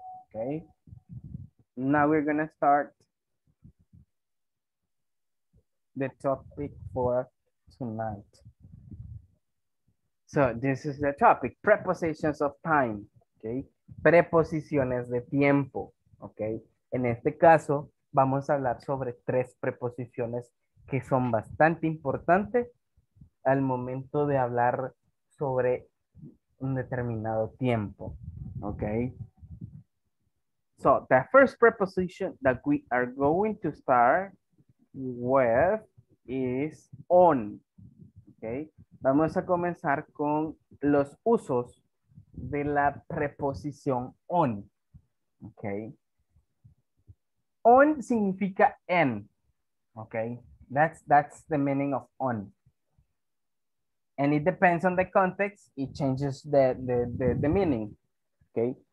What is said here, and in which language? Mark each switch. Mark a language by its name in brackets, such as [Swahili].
[English] Ok, now we're going to start the topic for tonight. So, this is the topic, prepositions of time, okay? [Spanish] Preposiciones de tiempo, okay? En este caso, vamos a hablar sobre tres preposiciones que son bastante importantes al momento de hablar sobre un determinado tiempo, okay? [English] So, the first preposition that we are going to start with is on, okay? [Spanish] Vamos a comenzar con los usos de la preposición on. Okay. On significa en. Okay. [English] That's the meaning of on. And it depends on the context, it changes the meaning. Okay.